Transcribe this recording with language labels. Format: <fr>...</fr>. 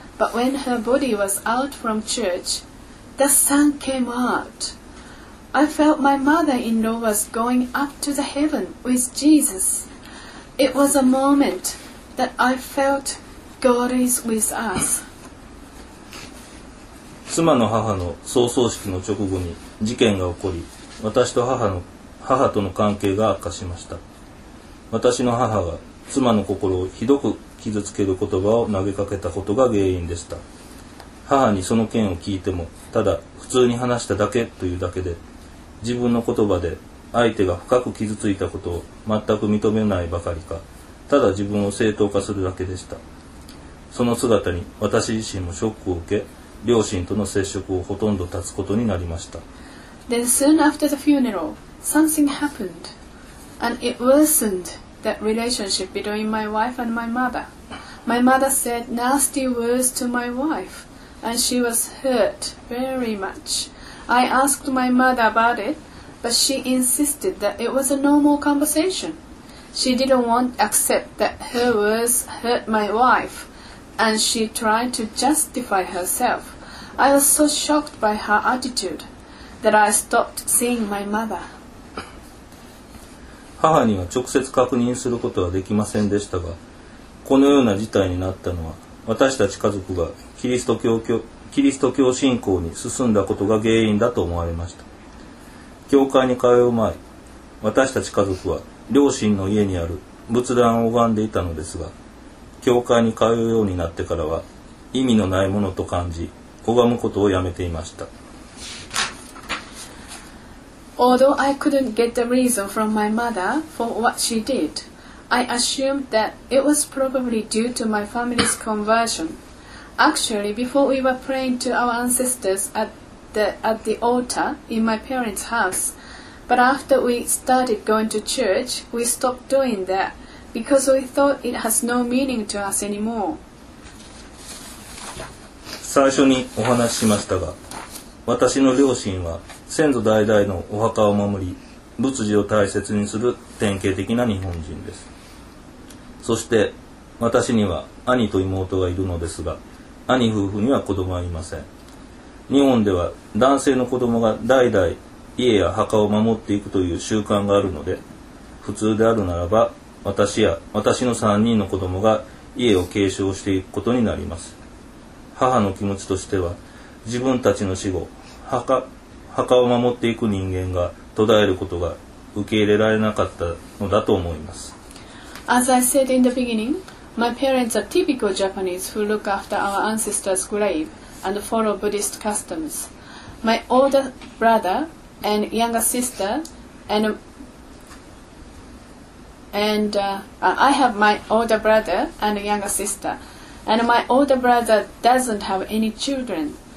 <en>But when her body was out from church, the sun came out. I felt my mother-in-law was going up to the heaven with Jesus. It was a moment that I felt God is with us.</en> <ja>妻の母の葬送式の直後に事件が起こり、私と母との関係が悪化しました。私の母は妻の心をひどく傷つける言葉を投げかけたことが原因でした。母にその件を聞いても、ただ普通に話しただけというだけで、自分の言葉で相手が深く傷ついたことを全く認めないばかりか、ただ自分を正当化するだけでした。その姿に私自身もショックを受け、両親との接触をほとんど断つことになりました。</ja> <en>Then soon after the funeral, something happened and it worsenedthat relationship between my wife and my mother. My mother said nasty words to my wife, and she was hurt very much. I asked my mother about it, but she insisted that it was a normal conversation. She didn't want to accept that her words hurt my wife, and she tried to justify herself. I was so shocked by her attitude that I stopped seeing my mother.</en> <ja>母には直接確認することはできませんでしたが、このような事態になったのは、私たち家族がキリスト教信仰に進んだことが原因だと思われました。教会に通う前、私たち家族は両親の家にある仏壇を拝んでいたのですが、教会に通うようになってからは意味のないものと感じ、拝むことをやめていました。</ja> <en>Although I couldn't get the reason from my mother for what she did, I assumed that it was probably due to my family's conversion. Actually, before we were praying to our ancestors at the altar in my parents' house, but after we started going to church, we stopped doing that because we thought it has no meaning to us anymore.</en> <ja>最初にお話ししましたが、私の両親は先祖代々のお墓を守り、仏事を大切にする典型的な日本人です。そして私には兄と妹がいるのですが、兄夫婦には子供はいません。日本では男性の子供が代々家や墓を守っていくという習慣があるので、普通であるならば私や私の3人の子供が家を継承していくことになります。母の気持ちとしては、自分たちの死後墓を守っていく人間が途絶えることが受け入れられなかったのだと思います。</ja> <en>As I said in the beginning, my parents are typical Japanese who look after our ancestors' grave and follow Buddhist customs. My older brother and younger sister I have my older brother and younger sister, and my older brother doesn't have any children.</en>